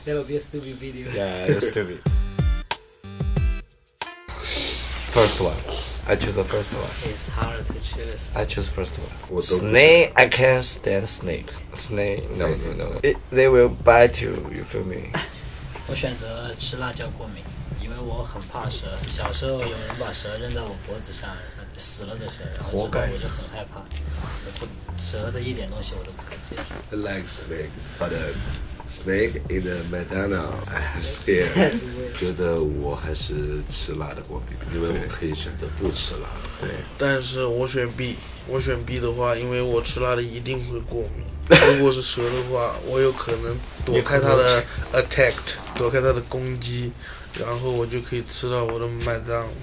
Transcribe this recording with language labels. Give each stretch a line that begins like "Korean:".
English: That would be a stupid video. Yeah, it's stupid. First one. I choose the first one. It's hard to choose. I choose first one. Snake, I can't stand snake. Snake, no. They will bite you feel me?
Chinese: 我选择吃辣椒过敏，因为我很怕蛇。小时候有人把蛇扔在我脖子上，死了的蛇，活该，我就很害怕。蛇的一点东西我都不敢接触。
English: I like snake, but snake in the McDonald, I have scared.
Chinese: 觉得我还是吃辣的过敏，因为我可以选择不吃辣。对，但是我选 B， 我选 B 的话，因为我吃辣的一定会过敏。如果是蛇的话，我有可能躲开它的 attack， 躲开它的攻击，然后我就可以吃到我的麦当。